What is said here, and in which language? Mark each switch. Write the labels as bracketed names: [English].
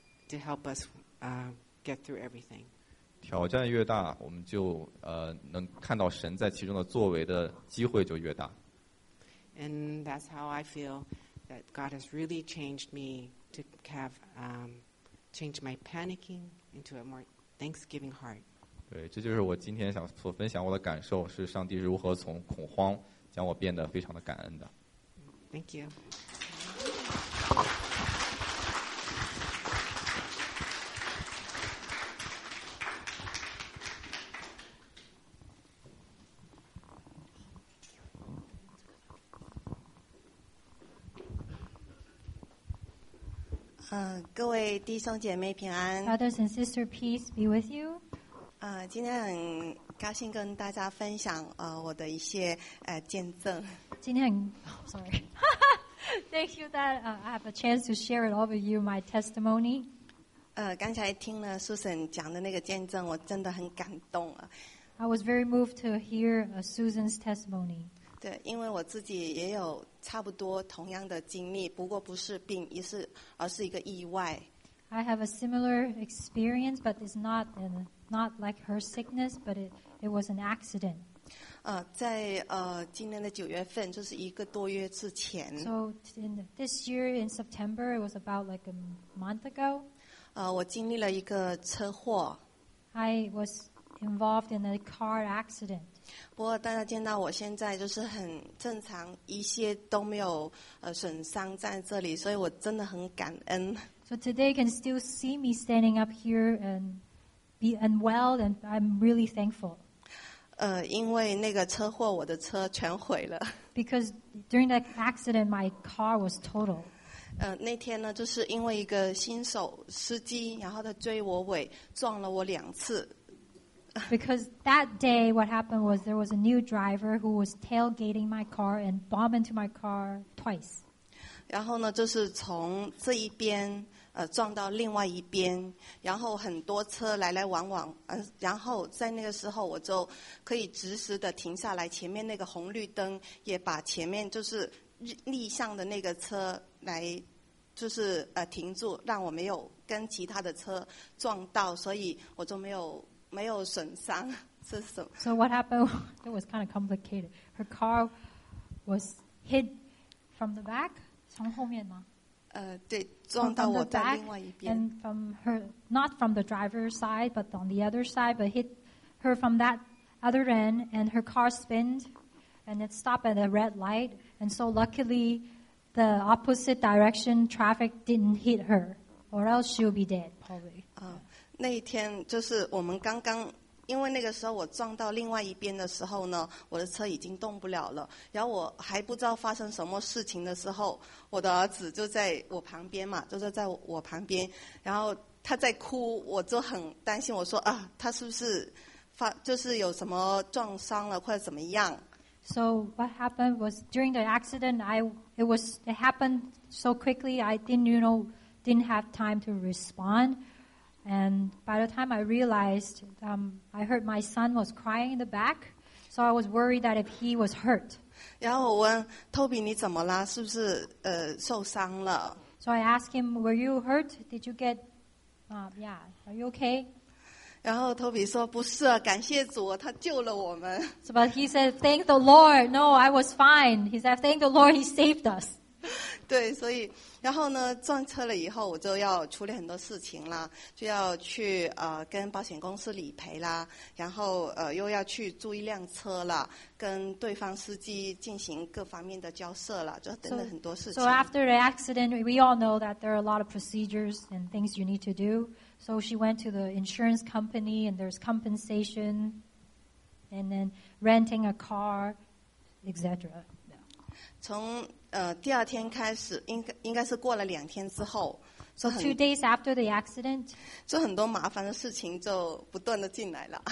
[English] To help us get through everything. [Chinese] 挑战越大，我们就能看到神在其中的作为的机会就越大。 [English] And that's how I feel that God has really changed me to have changed my panicking into a more thanksgiving heart. [Chinese] 对，这就是我今天想所分享我的感受，是上帝如何从恐慌将我变得非常的感恩的。 [English] Thank you. [Chinese] 各位弟兄姐妹平安。 [English] Brothers and sisters, peace be with you. [Chinese] 今天很高兴跟大家分享我的一些见证。今天很、 [English] oh, sorry. Thank you that I have a chance to share it all with you my testimony. [Chinese] 刚才听了 Susan 讲的那个见证，我真的很感动啊。 [English] I was very moved to hear Susan's testimony. [Chinese] 对，因为我自己也有差不多同样的经历，不过不是病，而是一个意外。 [English] I have a similar experience, but it's not like her sickness, but it was an accident. [Chinese] 在今年的九月份，就是一个多月之前。 [English] So in this year in September, it was about like a month ago. [Chinese] 我经历了一个车祸。 [English] I was involved in a car accident. [Chinese] 不过大家见到我现在就是很正常，一些都没有损伤在这里，所以我真的很感恩。 [English] So today can still see me standing up here and be unwell, and I'm really thankful. [Chinese] 因为那个车祸，我的车全毁了。 [English] Because during that accident, my car was total. [Chinese] 那天呢，就是因为一个新手司机，然后他追我尾，撞了我两次。 [English] Because that day, what happened was there was a new driver who was tailgating my car and bombed into my car twice. [Chinese] 然后呢，就是从这一边撞到另外一边，然后很多车来来往往，然后在那个时候我就可以及时的停下来，前面那个红绿灯也把前面就是逆向的那个车来就是停住，让我没有跟其他的车撞到，所以我就没有损伤，是什么 [English] ？So what happened? It was kind of complicated. Her car was hit from the back, [Chinese] 从后面吗？对，撞到我在另外一边。 [English] And from her, not from the driver's side, but on the other side, but hit her from that other end, and her car spinned, and it stopped at a red light. And so luckily, the opposite direction traffic didn't hit her, or else she'll be dead probably. [Chinese] 那一天就是我们刚刚，因为那个时候我撞到另外一边的时候呢，我的车已经动不了了。然后我还不知道发生什么事情的时候，我的儿子就在我旁边嘛，就是在我旁边。然后他在哭，我就很担心，我说啊，他是不是就是有什么撞伤了或者怎么样 [English] ？So what happened was during the accident, it happened so quickly. I didn't have time to respond. And by the time I realized, I heard my son was crying in the back, so I was worried that if he was hurt. [Chinese] 然后我问 Toby, 你怎么了？是不是受伤了 [English] ？So So I asked him, were you hurt? Did you get, yeah, are you okay? [Chinese] 然后托比说不是，感谢主，他救了我们。 [English] So, but he said, thank the Lord. No, I was fine. He said, thank the Lord, he saved us. [Chinese] 对，所以然后呢，撞车了以后，我就要处理很多事情啦，就要去跟保险公司理赔啦，然后又要去租一辆车了，跟对方司机进行各方面的交涉了，就等等很多事情。 [English] So after the accident, we all know that there are a lot of procedures and things you need to do. So she went to the insurance company, and there's compensation, and then renting a car, etc. [Chinese] 从第二天开始，应该是过了两天之后，说 [English] two days after the accident， [Chinese] 就很多麻烦的事情就不断的进来了。